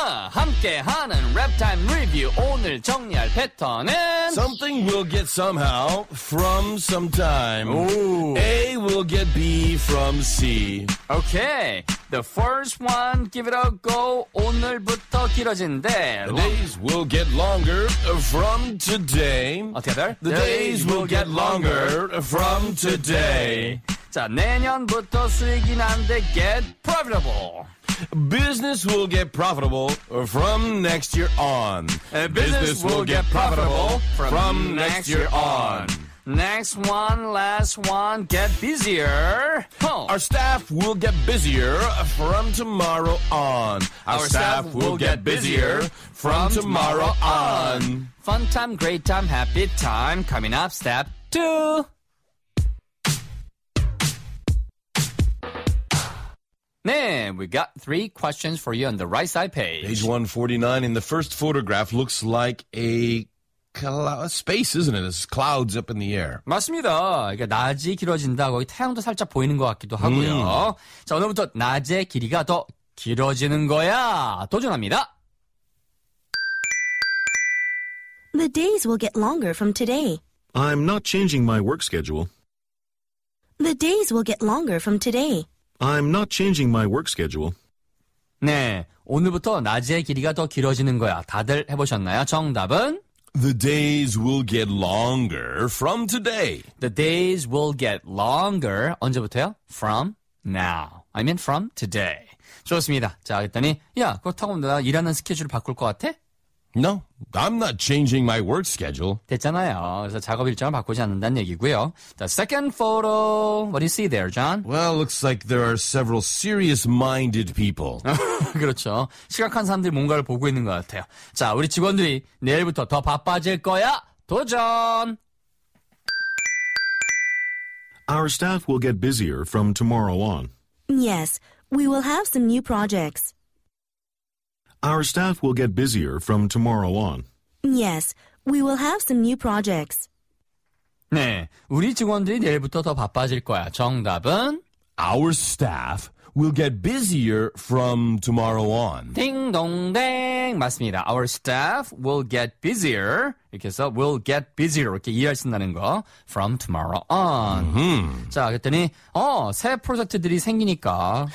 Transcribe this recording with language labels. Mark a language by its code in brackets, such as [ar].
[ko] 함께하는 랩타임 리뷰 오늘 정리할 패턴은 [en] Something will get somehow from sometime Ooh. A will get B from C Okay, the first one, give it a go [ko] 오늘부터 길어진대 [en] The days will get longer from today [ko] 어떻게 해야 돼? [en] The days will get longer from today [ko] 자, 내년부터 수익이 난대 [en] get profitable Business will get profitable from next year on. Business will get profitable from next year on. Next one, last one, get busier. Oh. Our staff will get busier from tomorrow on. Our staff will get busier from tomorrow on. Fun time, great time, happy time. Coming up, step two. We got three questions for you on the right side page. Page 149. In the first photograph, looks like a space, isn't it? It's clouds up in the air. [ko] 맞습니다. 그러니까 낮이 길어진다. 거기 태양도 살짝 보이는 것 같기도 하고요. 자, 오늘부터 낮의 길이가 더 길어지는 거야. 도전합니다. [en] The days will get longer from today. I'm not changing my work schedule. The days will get longer from today. I'm not changing my work schedule. [ko] 네, 오늘부터 낮의 길이가 더 길어지는 거야. 다들 해보셨나요? 정답은? [en] The days will get longer from today. The days will get longer. [ko] 언제부터요? [en] From now. I mean from today. [ko] 좋습니다. 자, 그랬더니, 야, 그렇다고 나 일하는 스케줄을 바꿀 것 같아? [en] No, I'm not changing my work schedule. [ko] 됐잖아요. 그래서 작업 일정을 바꾸지 않는다는 얘기고요. [en] The second photo, what do you see there, John? Well, looks like there are several serious-minded people. [ko] 그렇죠. 심각한 사람들이 뭔가를 보고 있는 것 같아요. 자, 우리 직원들이 내일부터 더 바빠질 거야. 도전! [en] Our staff will get busier from tomorrow on. Yes, we will have some new projects. Our staff will get busier from tomorrow on. Yes, we will have some new projects. [ko] 네, 우리 직원들이 내일부터 더 바빠질 거야. 정답은? [en] Our staff will get busier from tomorrow on. [ko] 딩동댕! 맞습니다. [en] Our staff will get busier. [ko] 이렇게 해서 [en] will get busier. [ko] 이렇게 이해할 수 있다는 거. [en] From tomorrow on. Mm-hmm. [ko] 자, 그랬더니 새 프로젝트들이 생기니까.